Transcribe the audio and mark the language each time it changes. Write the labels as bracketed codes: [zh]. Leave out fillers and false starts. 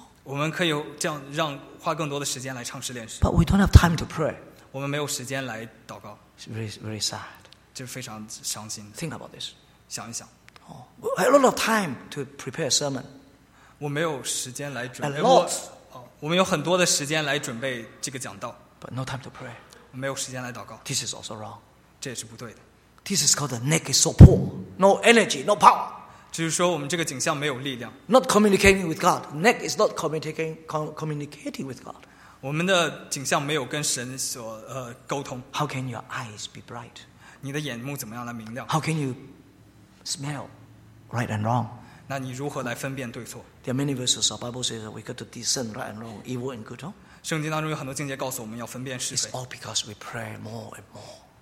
[zh] 我们可以这样让花更多的时间来唱诗练诗。 [en] But we don't have time to pray. [zh] 我们没有时间来祷告。 [en] It's very, very sad. [zh] 这是非常伤心的。 [en] Think about this. [zh] 想一想。 [en] Oh, a lot of time to prepare a sermon. [zh] 我没有时间来准备。 [en] A lot. [zh] 我们有很多的时间来准备这个讲道。 [en] But no time to pray. [zh] 我没有时间来祷告。 [en] This is also wrong. [zh] 这也是不对的。 [en] This is called the neck is so poor. No energy, no power. [zh] 就是说我们这个景象没有力量。 [en] Not communicating with God. Neck is not communicating with God. [zh] 我们的景象没有跟神所沟通。 [en] How can your eyes be bright? [zh] 你的眼目怎么样来明亮？ [en] How can you smell right and wrong? [zh] 那你如何来分辨对错？ [en] There are many verses of Bible says that we got to discern right and wrong, evil and good. [zh] 圣经当中有很多经节告诉我们要分辨是非。 [en] It's all because we pray more and more.